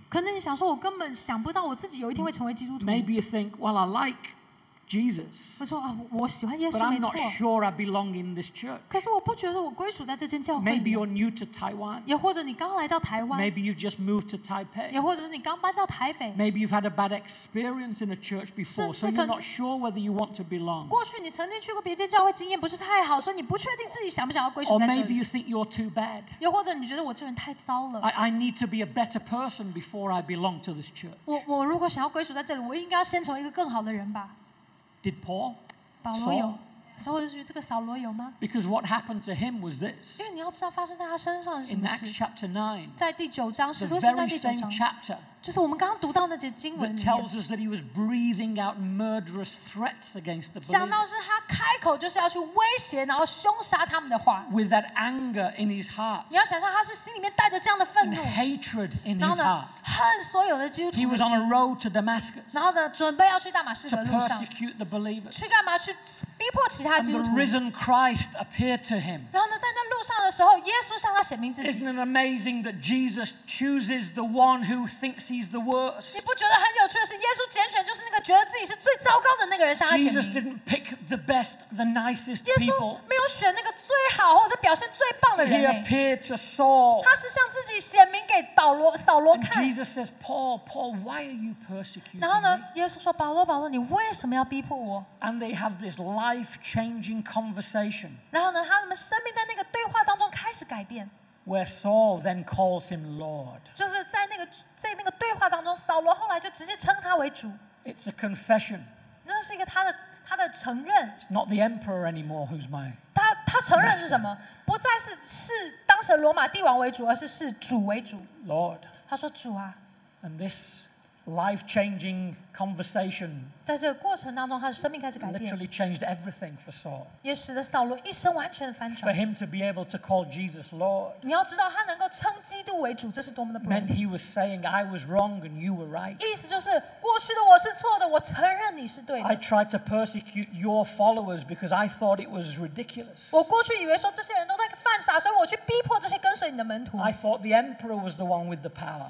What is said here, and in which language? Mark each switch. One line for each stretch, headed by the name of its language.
Chinese: 可能你想说，我根本想不到我自己有一天会成为基督徒。
English: Maybe you think, well, I like. Jesus,
Chinese: 他说啊，我喜欢耶稣。
English: But I'm not sure I belong in this church.
Chinese: 可是我不觉得我归属在这间教会。
English: Maybe you're new to Taiwan.
Chinese: 也或者你刚来到台湾。
English: Maybe you've just moved to Taipei.
Chinese: 也或者是你刚搬到台北。
English: Maybe you've had a bad experience in a church before, so you're not sure whether you want to belong.
Chinese: 过去你曾经去过别间教会，经验不是太好，所以你不确定自己想不想要归属在这里。
English: Or maybe you think you're too bad.
Chinese: 也或者你觉得我这人太糟了。
English: I need to be a better person before I belong to this church.
Chinese: 我如果想要归属在这里，我应该要先成为一个更好的人吧。
English: Did Paul?
Chinese: 保罗有，所以我就觉得这个扫罗有吗
English: ？Because what happened to him was this.
Chinese: 因为你要知道发生在他身上是什么事。
English: In Acts chapter 9,
Chinese: 在第九章，使徒行传第九章。
English: The very same chapter.
Chinese: 就是我们刚刚读到那节经文。
English: That tells us that he was breathing out murderous threats against the believers.
Chinese: 讲到是他开口就是要去威胁，然后凶杀他们的话。
English: With that anger in his heart.
Chinese: 你要想象他是心里面带着这样的愤怒。
English: And hatred in his heart.
Chinese: 恨所有的基督徒。
English: He was on a road to Damascus.
Chinese: 然后呢，准备要去大马士革路上。
English: To persecute the believers.
Chinese: 去干嘛？去逼迫其他基督徒。
English: And the risen Christ appeared to him.
Chinese: 然后呢，在那路上的时候，耶稣向他显明自己。
English: Isn't it amazing that Jesus chooses the one who thinks he's the worst?
Chinese: 你不觉得很有趣的是，耶稣拣选就是那个觉得自己是最糟糕的那个人向他显明。
English: Jesus didn't pick the best, the nicest people.
Chinese: 耶稣没有选那个最好或者表现最棒的人。
English: He appeared to Saul.
Chinese: 他是向自己显明给保罗、扫罗看。
English: And Jesus says, "Paul, Paul, why are you persecuting me?"
Chinese: 然后呢，耶稣说，保罗，保罗，你为什么要逼迫我？
English: And they have this life-changing conversation.
Chinese: 然后呢，他们生命在那个对话当中开始改变。
English: Where Saul then calls him Lord.
Chinese: 就是在那个对话当中，扫罗后来就直接称他为主。
English: It's a confession.
Chinese: 那是一个他的承认。
English: It's not the emperor anymore who's my.
Chinese: 他承认是什么？不再是当时罗马帝王为主，而是主为主。
English: Lord.
Chinese: 他说主啊。
English: And this. Life-changing conversation.
Chinese: 在这个过程当中，他的生命开始改变。
English: Literally changed everything for Saul.
Chinese: 也使得扫罗一生完全的翻转。
English: For him to be able to call Jesus Lord.
Chinese: 你要知道，他能够称基督为主，这是多么的不容易。
English: Meant he was saying I was wrong and you were right.
Chinese: 意思就是过去的我是错的，我承认你是对的。
English: I tried to persecute your followers because I thought it was ridiculous.
Chinese: 我过去以为说这些人都在犯傻，所以我去逼迫这些跟随你的门徒。
English: I thought the emperor was the one with the power.